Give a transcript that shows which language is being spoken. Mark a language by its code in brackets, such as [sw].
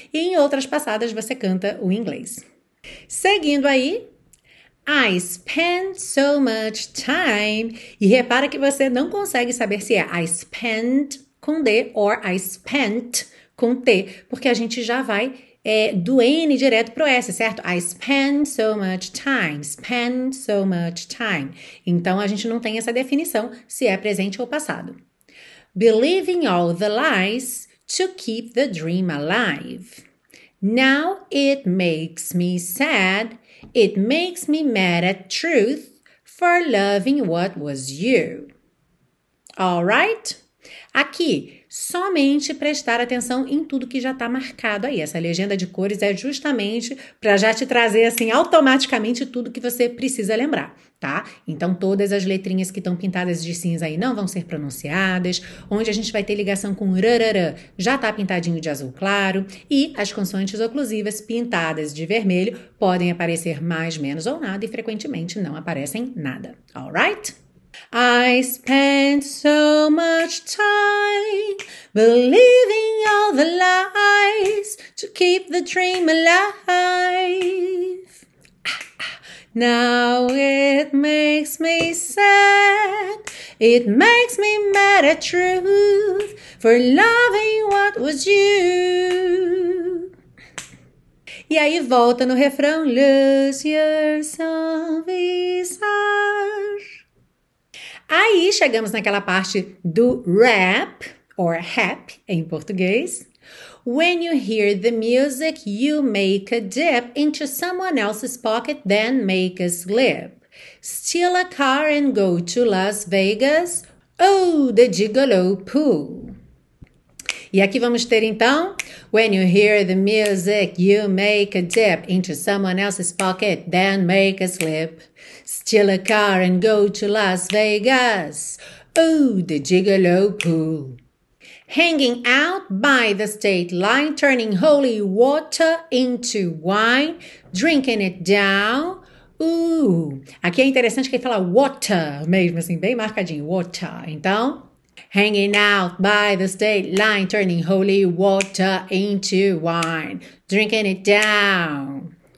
[pt] E em outras passadas, você canta o inglês. Seguindo aí. [en] I spend so much time. [pt] E repara que você não consegue saber se é I spent com D or I spent com T, porque a gente já vai do N direto pro S, certo? [en] I spend so much time, spend so much time. [pt] Então, a gente não tem essa definição se é presente ou passado. [en] Believing all the lies to keep the dream alive. Now it makes me sad. It makes me mad at truth for loving what was you. All right? [pt] Aqui, somente prestar atenção em tudo que já está marcado aí. Essa legenda de cores é justamente para já te trazer, assim, automaticamente tudo que você precisa lembrar, tá? Então, todas as letrinhas que estão pintadas de cinza aí não vão ser pronunciadas. Onde a gente vai ter ligação com rarara já está pintadinho de azul claro. E as consoantes oclusivas pintadas de vermelho podem aparecer mais, menos ou nada e frequentemente não aparecem nada. [en] All right? I spent so much time believing all the lies to keep the dream alive. Now it makes me sad. It makes me mad at truth for loving what was you. [pt] E aí volta no refrão: [en] Lose yourself inside. [pt] Aí chegamos naquela parte do rap, or rap em português. [en] When you hear the music, you make a dip into someone else's pocket, then make a slip. Steal a car and go to Las Vegas. Oh, the gigolo pool. [pt] E aqui vamos ter então: [en] When you hear the music, you make a dip into someone else's pocket, then make a slip. Steal a car and go to Las Vegas. Oh, the gigolo pool. Hanging out by the state line, turning holy water into wine, drinking it down. [pt] Aqui é interessante que ele fala water mesmo, assim, bem marcadinho, water. [en] Então, hanging out by the state line, turning holy water into wine, drinking it down.